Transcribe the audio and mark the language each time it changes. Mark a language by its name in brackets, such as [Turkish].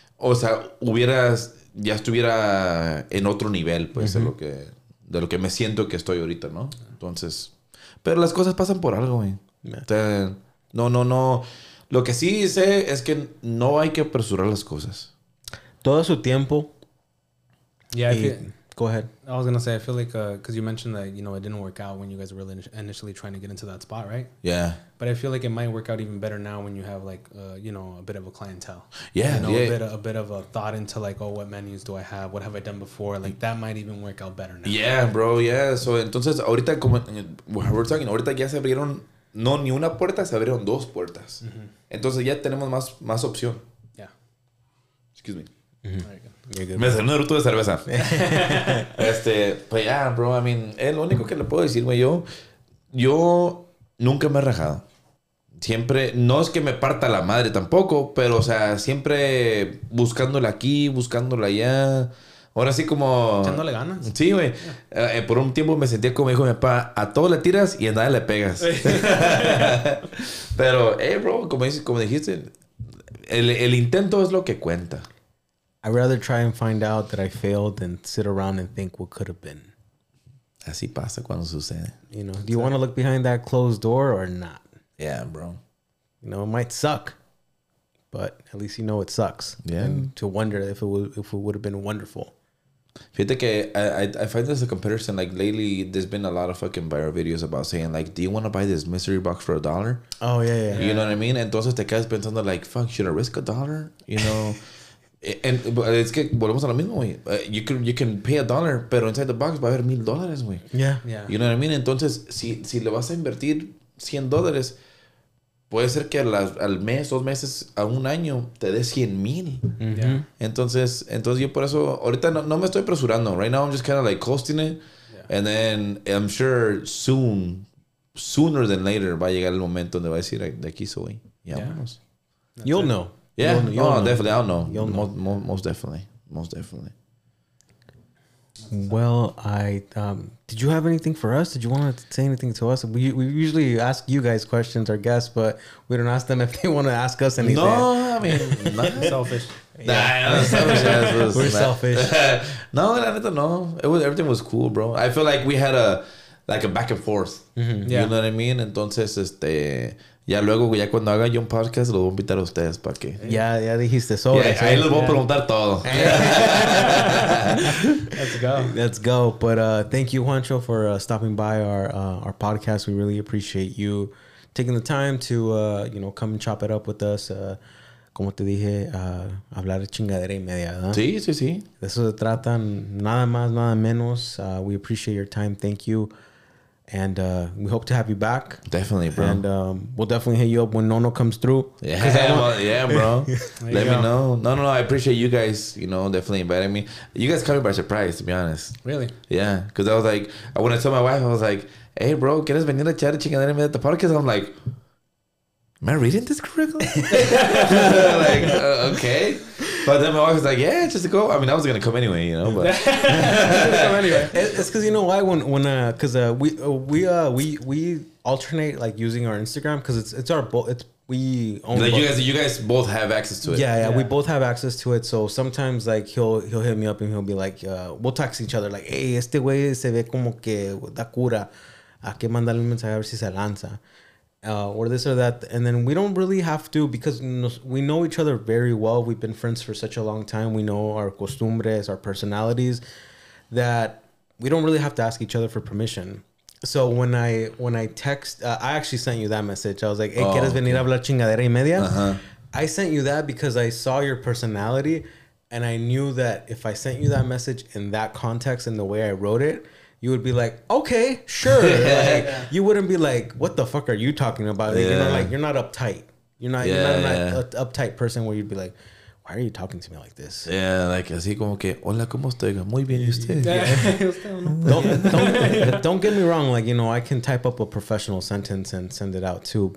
[Spanish] o sea, hubieras, ya estuviera en otro nivel, pues, uh-huh. De lo que me siento que estoy ahorita, ¿no? Entonces, pero las cosas pasan por algo, güey. Yeah. O sea, no. Lo que sí sé es que no hay que apresurar las cosas. Todo su tiempo. [English] Yeah, y, go ahead. I was going to say, I feel like, because you mentioned that, you know, it didn't work out when you guys were really initially trying to get into that spot, right? Yeah. But I feel like it might work out even better now when you have, like, you know, a bit of a clientele. Yeah. You know, yeah. A bit of a thought into, like, oh, what menus do I have? What have I done before? Like, that might even work out better now. [Spanish] Yeah, bro. Yeah. So, entonces, ahorita, como [English] we're talking, [Spanish] ahorita ya se abrieron, no ni una puerta, se abrieron dos puertas. Mm-hmm. Entonces, ya tenemos más opción. [English] Yeah. Excuse me. [Spanish] Mm-hmm. Me salió un eructo de cerveza. Pues ya, yeah, bro, [English] I mean, [Spanish] es lo único que le puedo decir, güey. Yo nunca me he rajado. Siempre, no es que me parta la madre tampoco, pero, o sea, siempre buscándola aquí, buscándola allá. Ahora sí, como. Echándole ganas. Sí, güey. Yeah. Por un tiempo me sentía como, dijo mi papá, a todo le tiras y a nada le pegas. Pero, hey, bro, como dijiste, el intento es lo que cuenta. [English] I'd rather try and find out that I failed than sit around and think what could have been. [Spanish] Así pasa cuando sucede. [English] You know, do you want to look behind that closed door or not? Yeah, bro. You know, it might suck, but at least you know it sucks. Yeah. And to wonder if it would have been wonderful. [Spanish] Fíjate que [English] I find this a comparison. Like lately, there's been a lot of fucking viral videos about saying like, do you want to buy this mystery box for a dollar? Oh, yeah, yeah. You know what I mean? [Spanish] Entonces te quedas pensando [English] like, fuck, should I risk a dollar? You know? And it's [Spanish] que volvemos a lo mismo, güey. [English] You can pay a dollar, [Spanish] pero [English] inside the box [Spanish] va a haber $1,000, güey. [English] Yeah, yeah. You know what I mean? [Spanish] Entonces, si le vas a invertir $100, puede ser que al mes, dos meses, a un año, te dé $100,000. [English] Mm-hmm. Yeah. [Spanish] Entonces, yo por eso, ahorita no me estoy apresurando. [English] Right now, I'm just kind of like coasting it. Yeah. And then, I'm sure sooner than later, [Spanish] va a llegar el momento donde va a decir, de aquí soy. Ya vamos. [English] You'll know. Yeah, you'll know. Definitely. I don't know. Most definitely. Well, did you have anything for us? Did you want to say anything to us? We usually ask you guys questions, our guests, but we don't ask them if they want to ask us anything. No, I mean, nothing selfish. Nah, we're selfish. No, I don't know. Everything was cool, bro. I feel like we had a back and forth. Mm-hmm. Yeah. You know what I mean? [Spanish] Entonces, ya luego, ya cuando haga yo un podcast, lo voy a invitar a ustedes para que... Ya, ya dijiste sobre. Yeah, ahí les voy a preguntar todo. [English] Let's go. But thank you, Juancho, for stopping by our podcast. We really appreciate you taking the time to, you know, come and chop it up with us. [Spanish] Como te dije, hablar de chingadera y media, ¿verdad? Sí, sí, sí. De eso se trata, nada más, nada menos. [English] We appreciate your time. Thank you. And we hope to have you back. Definitely, bro. And we'll definitely hit you up when Nono comes through. Yeah, bro. Let me know. No. I appreciate you guys, you know, definitely inviting me. You guys caught me by surprise, to be honest. Really? Yeah. Because I was like, when I told my wife, I was like, hey, bro, [Spanish] ¿quieres venir a echar chingadera en medio de tu podcast? [English] I'm like, am I reading this correctly? Like, okay. But then my wife was like, yeah, just to go. I mean, I was going to come anyway, you know, but. It's because, you know why, when because we alternate, like, using our Instagram, because it's our, we own. Like you guys both have access to it. Yeah, we both have access to it. So sometimes, like, he'll hit me up and he'll be like, we'll text each other, like, hey, [Spanish] este güey se ve como que da cura. ¿A qué mandarle un mensaje a ver si se lanza? [English] Or this or that. And then we don't really have to, because we know each other very well. We've been friends for such a long time. We know our costumbres, our personalities, that we don't really have to ask each other for permission. So when I text, I actually sent you that message. I was like, hey, [Spanish] ¿quieres venir a hablar chingadera y media? Uh-huh. [English] I sent you that because I saw your personality and I knew that if I sent you that message in that context and the way I wrote it, you would be like, okay, sure. Like, you wouldn't be like, what the fuck are you talking about? Like, you know, like, you're not uptight. You're not an uptight person where you'd be like, why are you talking to me like this? [Spanish] Yeah, like, así como que, hola, ¿cómo estoy? Muy bien, ¿y usted? Yeah. [English] don't get me wrong. Like, you know, I can type up a professional sentence and send it out too.